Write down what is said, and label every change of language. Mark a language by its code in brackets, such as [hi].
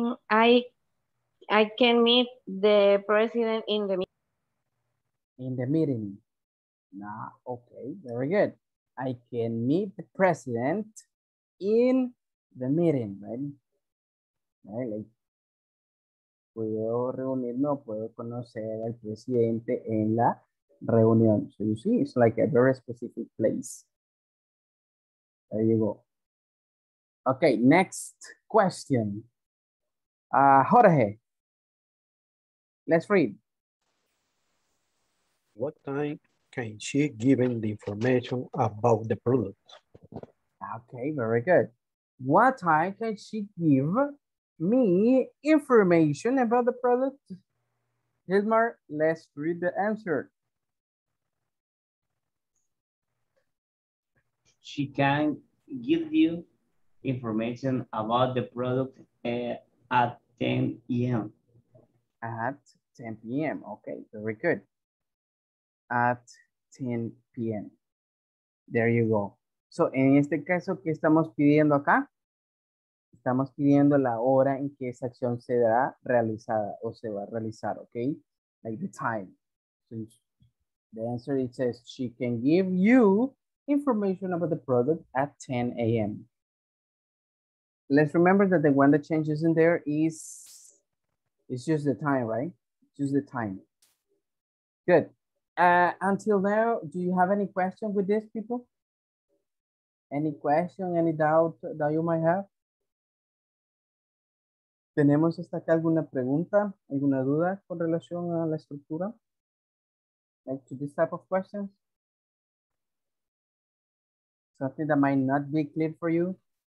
[en] I can meet the president in the meeting. In the meeting. Nah, okay, very good. I can meet the president in the meeting, right? Right, like, [es] puedo reunir, no puedo conocer al presidente en la reunión. [en] So you see, it's like a very specific place. There you go. Okay, next question. Jorge, let's read. What time can she give the information about the product? Okay, very good. What time can she give me information about the product? Hilmar, let's read the answer. She can give you information about the product at 10 p.m. At 10 p.m. Okay, very good. At 10 p.m. There you go. [es] So, en este caso, ¿qué estamos pidiendo acá? Estamos pidiendo la hora en que esa acción será realizada o se va a realizar, ¿ok? [en] Like the time. So the answer, it says, she can give you information about the product at 10 a.m. Let's remember that the one that changes in there is, it's just the time, right? Just the time. Good. Until now, do you have any question with this, people? Any question, any doubt that you might have? [es] ¿Tenemos hasta acá alguna pregunta, alguna duda con relación a la estructura? [en] Like to this type of questions? Something that might not be clear for you?